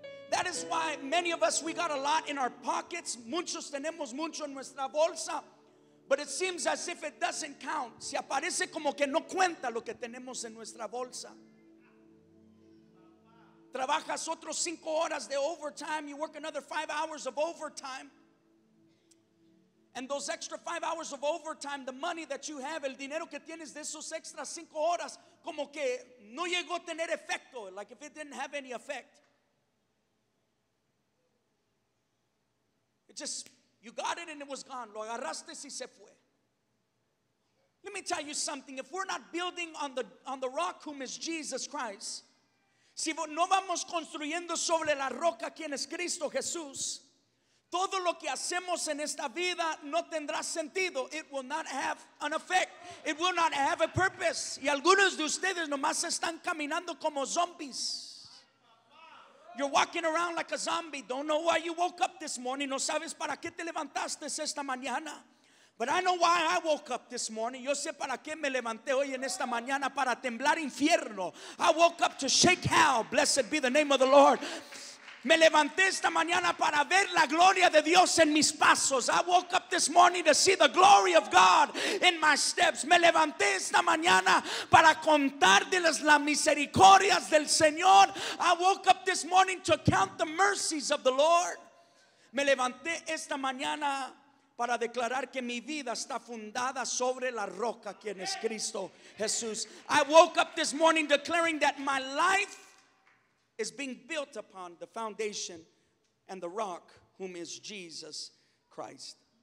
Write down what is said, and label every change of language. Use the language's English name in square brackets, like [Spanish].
[English] That is why many of us, we got a lot in our pockets. [Spanish] Muchos tenemos mucho en nuestra bolsa. [English] But it seems as if it doesn't count. [Spanish] Si aparece como que no cuenta lo que tenemos en nuestra bolsa. Trabajas otros 5 horas de overtime. [English] You work another 5 hours of overtime. And those extra 5 hours of overtime, the money that you have, [Spanish] el dinero que tienes de esos extras 5 horas, como que no llegó a tener efecto, [English] like if it didn't have any effect. It just, you got it and it was gone. [Spanish] Lo agarraste y se fue. [English] Let me tell you something. If we're not building on the rock, whom is Jesus Christ, [Spanish] si no vamos construyendo sobre la roca, quien es Cristo Jesús, todo lo que hacemos en esta vida no tendrá sentido. [English] It will not have an effect. It will not have a purpose. [Spanish] Y algunos de ustedes nomás están caminando como zombies. [English] You're walking around like a zombie. Don't know why you woke up this morning. [Spanish] No sabes para qué te levantaste esta mañana. [English] But I know why I woke up this morning. [Spanish] Yo sé para qué me levanté hoy en esta mañana, para temblar infierno. [English] I woke up to shake hell. Blessed be the name of the Lord. [Spanish] Me levanté esta mañana para ver la gloria de Dios en mis pasos. [English] I woke up this morning to see the glory of God in my steps. [Spanish] Me levanté esta mañana para contarles las misericordias del Señor. [English] I woke up this morning to count the mercies of the Lord. [Spanish] Me levanté esta mañana para declarar que mi vida está fundada sobre la roca, quien es Cristo Jesús. [English] I woke up this morning declaring that my life is being built upon the foundation and the rock, whom is Jesus Christ.